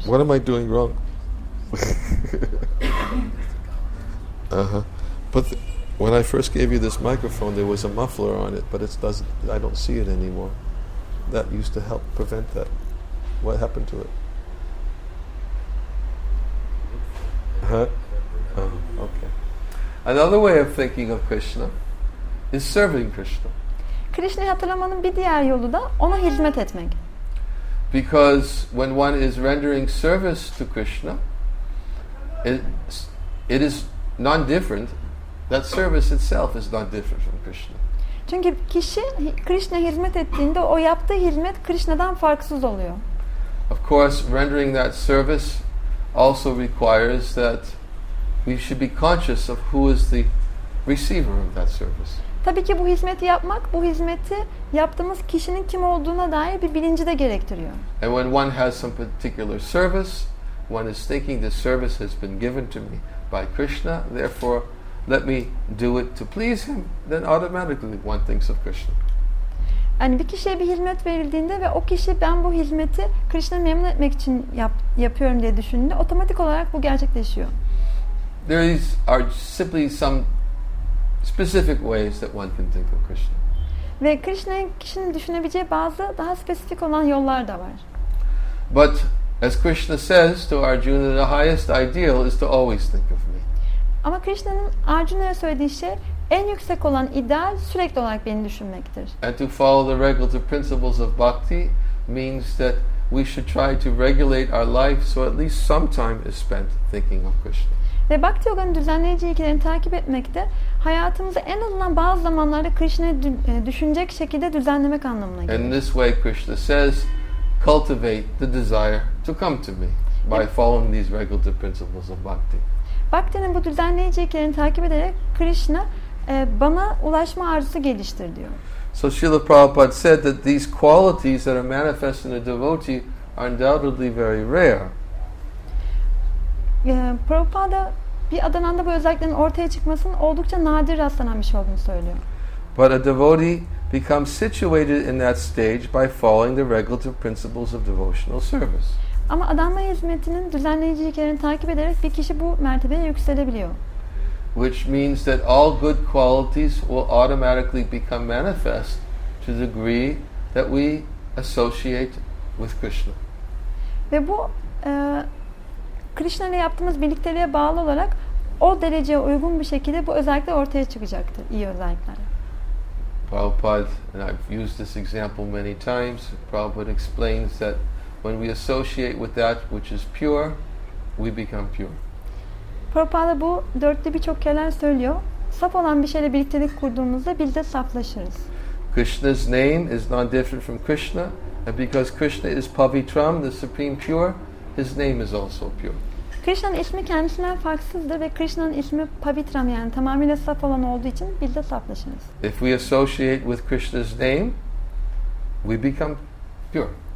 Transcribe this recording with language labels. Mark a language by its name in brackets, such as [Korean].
[English] What am I doing wrong? But when I first gave you this microphone, there was a muffler on it, but it doesn't. I don't see it anymore. That used to help prevent that. What happened to it? Another way of thinking of Krishna is serving Krishna. [Turkish] Krishna'yı hatırlamanın bir diğer yolu da ona hizmet etmek. [English] Because when one is rendering service to Krishna, it is non-different. That service itself is not different from Krishna. [Turkish] Çünkü kişi Krishna'ya hizmet ettiğinde o yaptığı hizmet Krishna'dan farksız oluyor. [English] Of course, rendering that service also requires that we should be conscious of who is the receiver of that service. [Turkish] Tabii ki bu hizmeti yapmak, bu hizmeti yaptığımız kişinin kim olduğuna dair bir bilinci de gerektiriyor. [English] And when one has some particular service, one is thinking this service has been given to me by Krishna, therefore let me do it to please him, then automatically one thinks of Krishna. [Turkish] Yani bir kişiye bir hizmet verildiğinde ve o kişi ben bu hizmeti Krishna'yı memnun etmek için yapıyorum diye düşündüğünde otomatik olarak bu gerçekleşiyor. [English] There is are simply some specific ways that one can think of Krishna. [Turkish] Ve Krishna'yı kişinin düşünebileceği bazı daha spesifik olan yollar da var. [English] But as Krishna says to Arjuna, the highest ideal is to always think of me. [Turkish] Ama Krishna'nın Arjuna'ya söylediği şey en yüksek olan ideal sürekli olarak beni düşünmektir. [English] And to follow the regulative principles of bhakti means that we should try to regulate our life so at least some time is spent thinking of Krishna. [Turkish] Ve bhakti yoganın düzenleyici ilkelerini takip etmekte hayatımızı en azından bazı zamanlarda Krishna'yı düşünecek şekilde düzenlemek anlamına geliyor. [English] In this way Krishna says, cultivate the desire to come to me by following these regulative principles of bhakti. [Turkish] Bhakti'nin bu düzenleyici ilkelerini takip ederek Krishna bana ulaşma arzusu geliştir diyor. [English] So Srila Prabhupada said that these qualities that are manifest in a devotee are undoubtedly very rare. [Turkish] Prabhupada bir adananda bu özelliklerin ortaya çıkmasının oldukça nadir rastlanan bir şey olduğunu söylüyor. [English] But a devotee becomes situated in that stage by following the regulative principles of devotional service. [Turkish] Ama adanma hizmetinin düzenleyici ilkelerini takip ederek bir kişi bu mertebeye yükselebiliyor. [English] Which means that all good qualities will automatically become manifest to the degree that we associate with Krishna. [Turkish] Ve bu Krishna'yla yaptığımız birlikteliğe bağlı olarak o dereceye uygun bir şekilde bu özellikler ortaya çıkacaktır, iyi özellikler. [English] Prabhupada, and I've used this example many times, Prabhupada explains that when we associate with that which is pure, we become pure. [Turkish] Prabhupada bu dörtlü birçok kelam söylüyor. Saf olan bir şeyle birliktelik kurduğumuzda biz de saflaşırız. [English] Krishna's name is not different from Krishna, and because Krishna is Pavitram, the supreme pure, his name is also pure. [Turkish] Krishna'nın ismi kendisinden farksızdır ve Krishna'nın ismi Pavitram yani tamamıyla saf olan olduğu için biz de saflaşırız. [English] If we associate with Krishna's name, we become pure.